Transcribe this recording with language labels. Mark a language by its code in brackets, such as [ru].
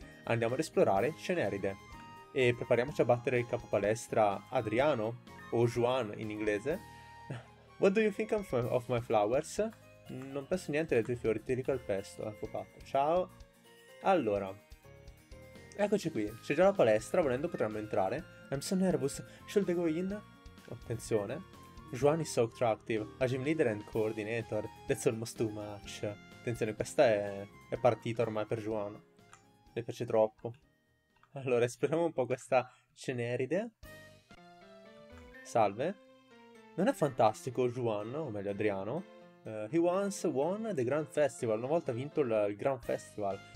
[it] Andiamo ad esplorare Ceneride e prepariamoci a battere il capopalestra Adriano, o Juan in inglese. [en] What do you think of my flowers? [it] Non penso niente dei tuoi fiori, ti ricalpesto, ecco fatto, ciao. Allora, eccoci qui, c'è già la palestra, volendo potremmo entrare. [en] I'm so nervous, should I go in? [it] Attenzione, [en] Juan is so attractive, a gym leader and coordinator, that's almost too much. [it] Attenzione, questa è partita ormai per Juan, le piace troppo. Allora, esploriamo un po' questa Ceneride. Salve. Non è fantastico Juan, o meglio Adriano? [en] He once won the Grand Festival, [it] una volta vinto il Grand Festival.